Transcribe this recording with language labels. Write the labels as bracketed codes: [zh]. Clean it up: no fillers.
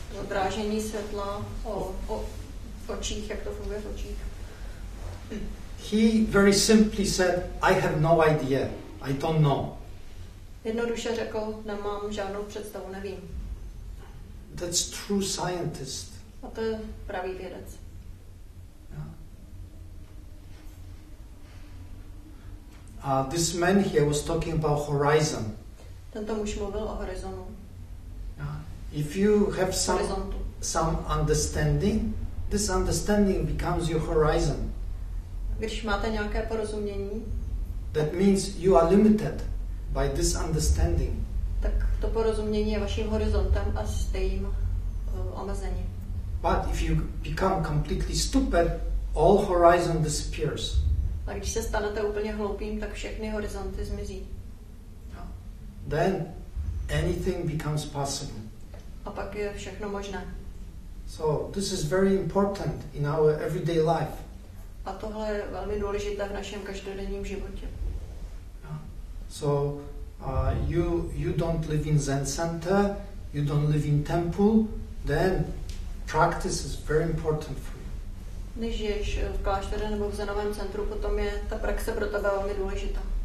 [cs] Odrážení světla o očích, jak to funguje v očích. [en] He very simply said, I have no idea. I don't know. [cs] Jednoduše řekl, nemám žádnou představu, nevím. [en] That's true scientist. [cs] A to je pravý vědec. [en] Yeah. This man here was talking about horizon. [cs] Tento muž mluvil o horizonu. [en] If you have some understanding, this understanding becomes your horizon. [cs] Když máte nějaké porozumění, [en] that means you are limited by this understanding. [cs] Tak to porozumění je vaším horizontem a jste jim omezení. [en] But if you become completely stupid, all horizon disappears. [cs] A když se stanete úplně hloupým, tak všechny horizonty zmizí. [en] Then anything becomes possible. [cs] A pak je všechno možné. [en] So this is very important in our everyday life. [cs] A tohle je velmi důležité v našem každodenním životě. [en] So you don't live in Zen center, you don't live in temple, then practice is very important for you. [cs] Když žiješ v klášteru nebo v zenovém centru, potom je ta praxe pro tebe velmi důležitá.